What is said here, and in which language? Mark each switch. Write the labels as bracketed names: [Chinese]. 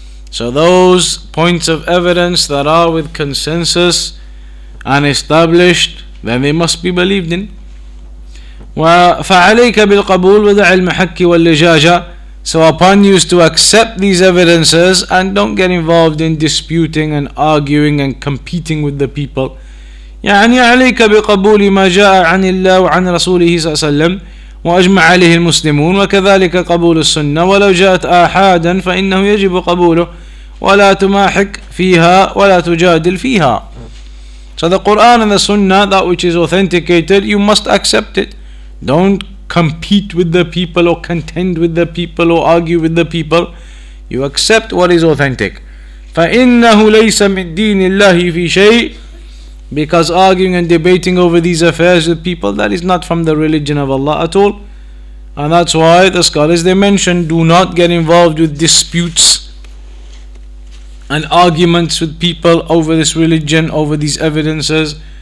[English] So those points of evidence that are with consensus and established, then they must be believed in. [Arabic] فَعَلَيْكَ بِالْقَبُولِ وَدَعِ الْمَحَكِّ وَالْلِجَاجَةِ. [English] So upon you is to accept these evidences and don't get involved in disputing and arguing and competing with the people. [Arabic] يعني عليك بقبول ما جاء عن الله وعن رسوله صلى الله عليه وسلم وأجمع عليه المسلمون وكذلك قبول السنة ولو جاءت آحادا فإنه يجب قبوله ولا تماحك فيها ولا تجادل فيها. [English] So the Quran and the Sunnah, that which is authenticated, you must accept it. Don't compete with the people or contend with the people or argue with the people. You accept what is authentic. [Arabic] فإنه ليس من دين الله في شيء. [English] Because arguing and debating over these affairs with people, that is not from the religion of Allah at all. And that's why the scholars, they mention, do not get involved with disputes and arguments with people over this religion, over these evidences.